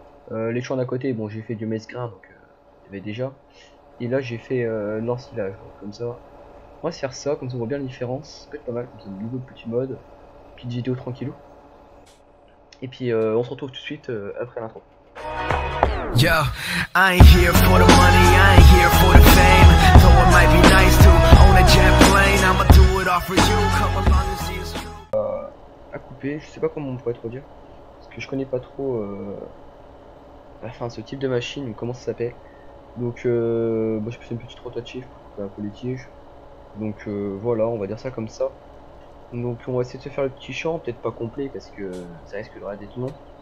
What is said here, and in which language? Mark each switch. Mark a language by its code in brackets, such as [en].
[fr] Les champs d'à côté, bon, j'ai fait du maïs grain, donc il y avait déjà. Et là j'ai fait l'ensilage, donc comme ça. On va se faire ça, comme ça on voit bien la différence. Ça peut être pas mal, comme ça, un nouveau petit mode, petite vidéo tranquillou. Et puis on se retrouve tout de suite après l'intro. [en] Yo, I ain't here for the money, I ain't here for the fame. Though it might be nice to own a jet plane, I'ma do it all for you. Come along and see us through. [fr] À couper, je sais pas comment on pourrait trop dire. Parce que je connais pas trop enfin, ce type de machine, comment ça s'appelle. Donc, bon, je peux faire une petite rotative pour les tiges. Donc, voilà, on va dire ça comme ça. Donc on va essayer de se faire le petit champ, peut-être pas complet parce que ça risque de d'être long.